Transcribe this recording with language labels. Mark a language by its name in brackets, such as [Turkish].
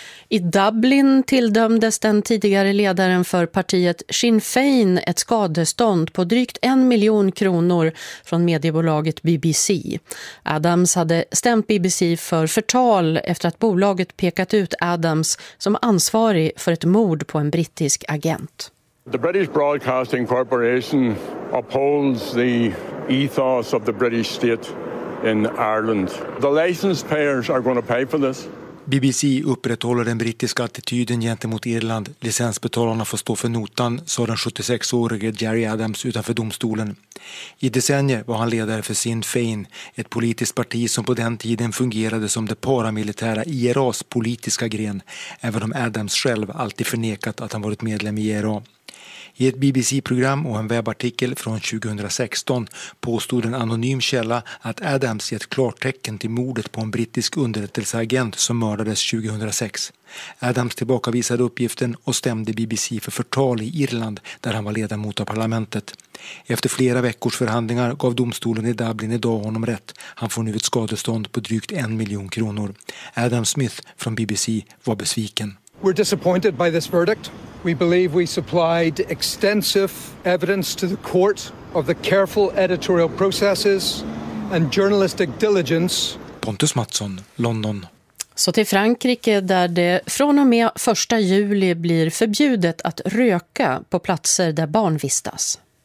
[Swedish] I Dublin tilldömdes den tidigare ledaren för partiet Sinn Féin ett skadestånd på drygt 1 miljon kronor från mediebolaget BBC. Adams hade stämt BBC för förtal efter att bolaget pekat ut Adams som ansvarig för ett mord på en brittisk agent. [English] The British Broadcasting Corporation upholds the ethos of the British state in Ireland. The licensed payers are going to pay for this. [Swedish] BBC upprätthåller den brittiska attityden gentemot Irland. Licensbetalarna får stå för notan, sa den 76-årige Gerry Adams utanför domstolen. I decennier var han ledare för Sinn Féin, ett politiskt parti som på den tiden fungerade som det paramilitära IRAs politiska gren, även om Adams själv alltid förnekat att han varit medlem i IRA. I ett BBC-program och en webbartikel från 2016 påstod en anonym källa att Adams gett klartecken till mordet på en brittisk underrättelseagent som mördades 2006. Adams tillbakavisade uppgiften och stämde BBC för förtal i Irland där han var ledamot av parlamentet. Efter flera veckors förhandlingar gav domstolen i Dublin idag honom rätt. Han får nu ett skadestånd på drygt 1 miljon kronor. Adam Smith från BBC var besviken. [English] We're disappointed by this verdict. We believe we supplied extensive evidence to the court of the careful editorial processes and journalistic diligence. [Swedish] Pontus Mattsson, London. Så till Frankrike där det från och med 1 juli blir förbjudet att röka på platser där barn vistas.